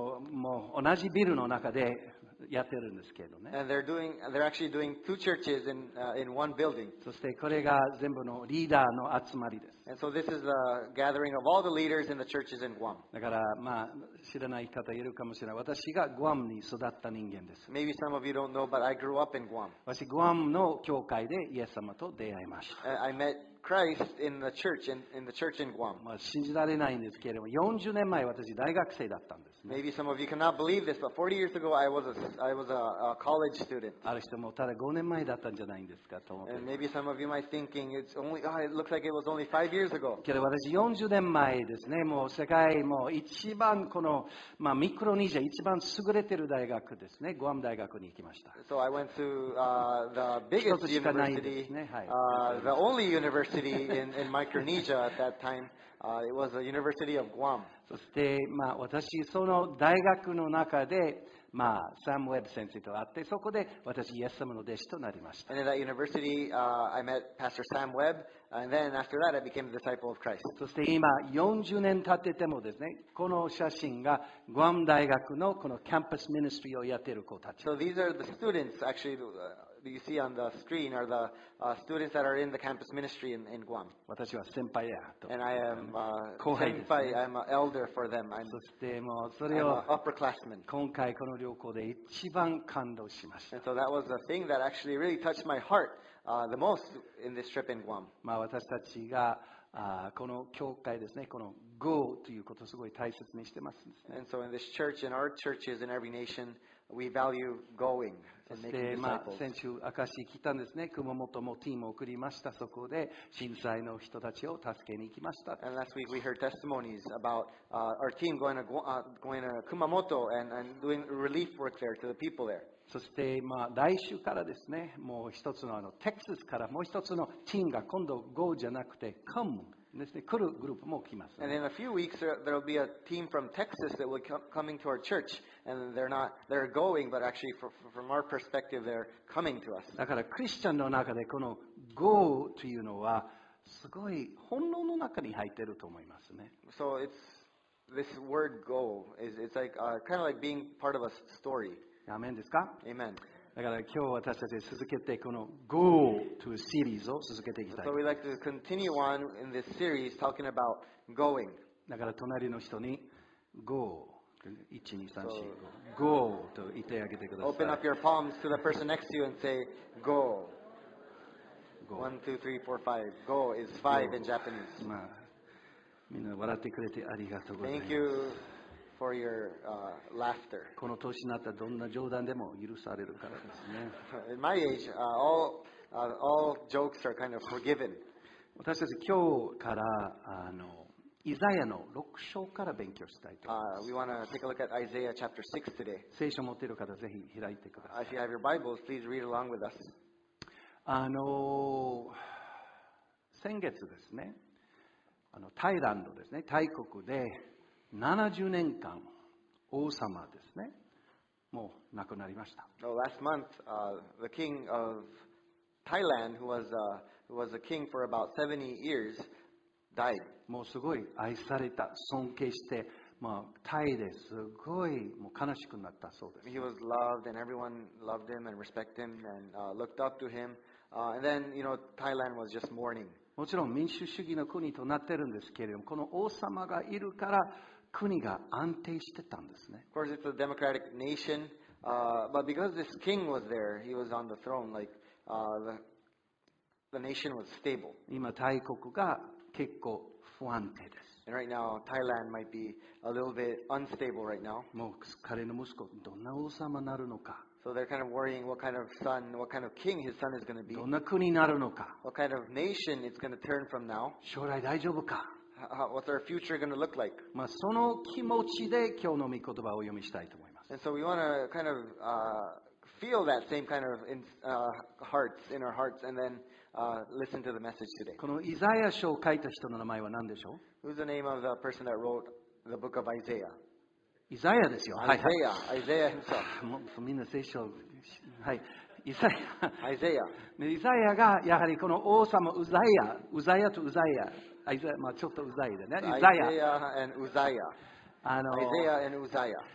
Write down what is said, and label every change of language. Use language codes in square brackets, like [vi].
[ja] もう同じビルの中でやってるんですけどね。 [en] And they're actually doing two churches in one building. [ja] そしてこれが全部のリーダーの集まりです。 [en] And so this is the gathering of all the leaders in the churches in Guam. [ja] だから知らない方いるかもしれない。私がグアムに育った人間です。 [en] Maybe some of you don't know, but I grew up in Guam. [ja] 私グアムの教会でイエス様と出会いました。 [en] I met Christ in the church in Guam. [ja] 信じられないんですけれども、40年前私大学生だったんです。 [en] Maybe some of you cannot believe this, but 40 years ago I was a college student. [ja] ある人もただ5年前だったんじゃないんですかと思って。 [en] And maybe some of you might thinking it's only it looks like it was only 5 years ago. [ja] けど私40年前ですね、もう世界もう一番このミクロニジア一番優れてる大学ですね、グアム大学に行きました。 [en] So I went to the biggest university, the only university in Micronesia at that time. It was the University of Guam. [ja] そして、私その大学の中で、サム・ウェブ先生と会ってそこで私イエス様の弟子となりました。 [en] And in that university, I met Pastor Sam Webb, and then after that, I became a disciple of Christ. [ja] そして今40年経っててもですね、この写真がグアム大学のこのキャンパスミニストリーをやっている子たち。 [en] So these are the students actually. You see on the screen are the students that are in the campus ministry in Guam. [ja] 私は先輩やと。 [en] And I am senpai. I'm an elder for them. I'm an upperclassman. [ja] 今回この旅行で一番感動しました。 [en] And so that was the thing that actually really touched my heart the most in this trip in Guam. [ja] 私たちがこの教会ですね、この Go ということをすごい大切にしてますね。 [en] And so in this church, in our churches, in every nation. We value going and making disciples. [ja] 先週明石来たんですね。熊本もチームを送りました。そこで震災の人たちを助けに行きました。 [en] And last week we heard testimonies about our team going to Kumamoto and doing relief work there to the people there. [ja] そして来週からですね、もう一つ のテキサスからもう一つのチームが今度 Go じゃなくて Come ですね、来るグループも来ます、ね。 [en] And in a few weeks there will be a team from Texas that will be coming to our church, and they're going, but actually from our perspective they're coming to us. [ja] だからクリスチャンの中でこの Go というのはすごい本能の中に入っていると思いますね。 [en] So it's this word Go is it's like kind of like being part of a story. [ja] アメンですか？ [en] Amen. [ja] だから今日私たち続けてこの Go to シリーズを続けていきたい。 [en] So we'd like to continue on in this series talking about going. [ja] だから隣の人に Go 1,2,3,4 Go と言ってあげてください。 [en] Open up your palms to the person next to you and say Go. 1,2,3,4,5 Go is 5 in Japanese. [ja] みんな笑ってくれてありがとうございます。 [en] Thank you. For your laughter. [ja] この年になったらどんな冗談でも許されるからですね。 [en] In my age, all jokes are kind of forgiven. [ja] 私たち今日からイザヤの6章から勉強したいと思います。 [en] We want to take a look at Isaiah chapter 6 today. [ja] 聖書持っている方ぜひ開いてください。 [en] If you have your Bibles, please read along with us. [ja] 先月ですね、タイランドですね、タイ国で。 70年間王様ですね、もう亡くなりました。 [en] So、last month, the king of Thailand, who was a king for about 70 years, died. [ja] もうすごい愛された、尊敬して、まあ、タイですごいもう悲しくなったそうです。 [en] He was loved and everyone loved him and respected him and looked up to him. And then, you know, Thailand was just mourning. [ja] もちろん民主主義の国となっているんですけれども、この王様がいるから国が安定してたんですね。 [en] Of course, it's a democratic nation, but because this king was there, he was on the throne, like the nation was stable. [ja] 今、タイ国が結構不安定です。 [en] And right now, Thailand might be a little bit unstable right now. [ja] もう彼の息子、どんな王様になるのか。 [en] So they're kind of worrying what kind of son, what kind of king his son is going to be. [ja] どんな国になるのか。 [en] What kind of nation it's going to turn from now. [ja] 将来大丈夫か。 [en] What's our future going to look like? [ja] まあその気持ちで今日の御言葉を読みしたいと思います。 [en] And so we want to kind of feel that same kind of in our hearts and then listen to the message today. [ja] このイザヤ書を書いた人の名前は何でしょう。 [en] Who's the name of the person that wrote the book of Isaiah? [ja] イザヤですよ。イザヤ、はいはい、みんな聖書、はい、イザヤ。イザヤ。イザヤがやはりこの王様ウザヤ、ウザヤとウザヤ、イザヤ、まあちょっとウザイだね。イザヤ。ウザヤ。イザヤ and ウザヤ。